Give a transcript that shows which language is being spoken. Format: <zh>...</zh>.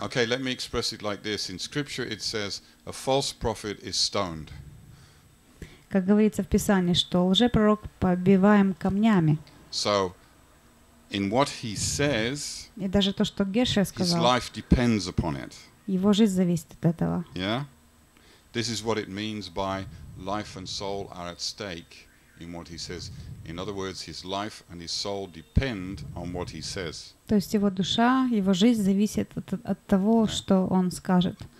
<en>Yeah. Okay, let me express it like this. In scripture it says a false prophet is stoned.</en> <ru>Как говорится в Писании, что лжепророк побиваем камнями.</ru> <en>So in what he says,</en> <ru>и даже то, что Геша сказал,</ru> <en>his life depends upon it.</en> <ru>Его жизнь зависит от этого.</ru> <en>Yeah? This is what it means by life and soul are at stake in what he says. In other words, his life and his soul depend on what he says.</en> <ru>То есть его душа, его жизнь зависит от того, что он скажет.</ru>